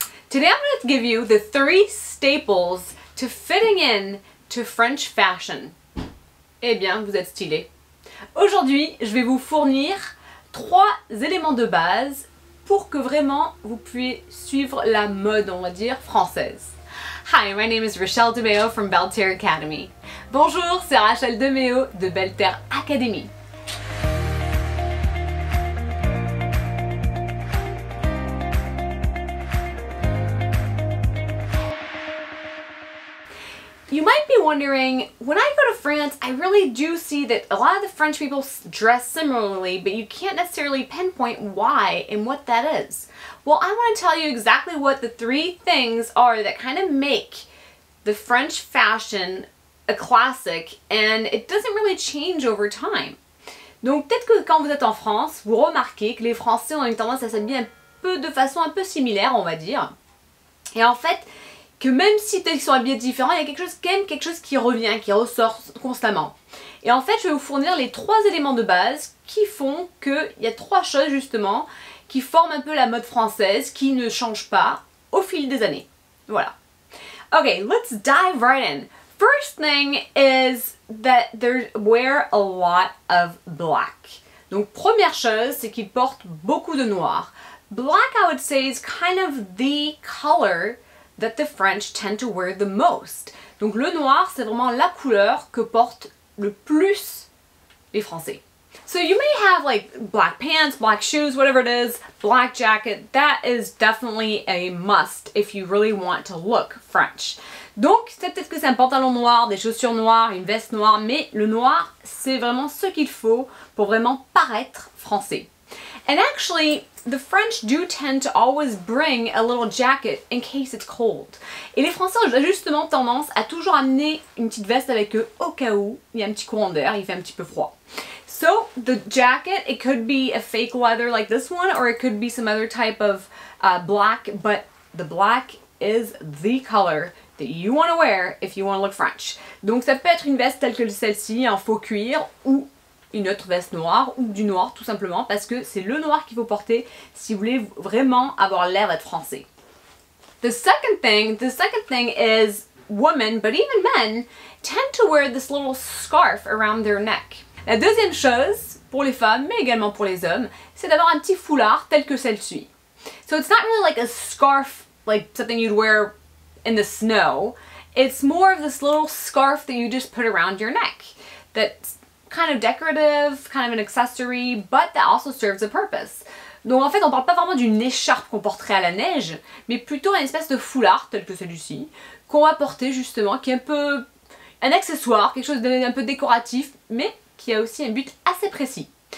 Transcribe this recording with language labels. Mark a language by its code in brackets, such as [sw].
[en] Today I'm going to give you the three staples to fitting in to French fashion. [fr] Eh bien, vous êtes stylé. Aujourd'hui, je vais vous fournir trois éléments de base pour que vraiment vous puissiez suivre la mode, on va dire, française. [en] Hi, my name is Rachel DeMeo from Belterre Academy. [fr] Bonjour, c'est Rachel DeMeo de Belterre Academy. [en] You might be wondering, when I go to France, I really do see that a lot of the French people dress similarly, but you can't necessarily pinpoint why and what that is. Well, I want to tell you exactly what the three things are that kind of make the French fashion a classic, and it doesn't really change over time. [fr] Donc peut-être que quand vous êtes en France, vous remarquez que les Français ont une tendance à s'habiller un peu de façon un peu similaire, on va dire. Et en fait, que même si ils sont habillés différents, il y a quelque chose qui aime, quelque chose qui revient, qui ressort constamment. Et en fait, je vais vous fournir les trois éléments de base qui font qu'il y a trois choses justement qui forment un peu la mode française, qui ne change pas au fil des années. Voilà. [en] Okay, let's dive right in. First thing is that they wear a lot of black. [fr] Donc première chose, c'est qu'ils portent beaucoup de noir. [en] Black, I would say, is kind of the color that the French tend to wear the most. [fr] Donc le noir, c'est vraiment la couleur que portent le plus les Français. [en] So you may have like black pants, black shoes, whatever it is, black jacket, that is definitely a must if you really want to look French. [fr] Donc c'est peut-être que c'est un pantalon noir, des chaussures noires, une veste noire, mais le noir, c'est vraiment ce qu'il faut pour vraiment paraître français. [en] And actually, the French do tend to always bring a little jacket in case it's cold. [fr] Et les Français ont justement tendance à toujours amener une petite veste avec eux au cas où il y a un petit courant d'air, il fait un petit peu froid. [en] So, the jacket, it could be a fake leather like this one, or it could be some other type of black, but the black is the color that you want to wear if you want to look French. [fr] Donc ça peut être une veste telle que celle-ci, en faux cuir, ou une autre veste noire ou du noir tout simplement parce que c'est le noir qu'il faut porter si vous voulez vraiment avoir l'air d'être français. [en] The second thing is women, but even men, tend to wear this little scarf around their neck. [fr] La deuxième chose pour les femmes mais également pour les hommes, c'est d'avoir un petit foulard tel que celle-ci. [en] So it's not really like a scarf, like something you'd wear in the snow. It's more of this little scarf that you just put around your neck. That's kind of decorative, kind of an accessory, but that also serves a purpose. [fr] Donc en fait, on parle pas vraiment d'une écharpe qu'on porterait à la neige, mais plutôt une espèce de foulard, tel que celui-ci, qu'on va porter justement, qui est un peu un accessoire, quelque chose d'un peu décoratif, mais qui a aussi un but assez précis.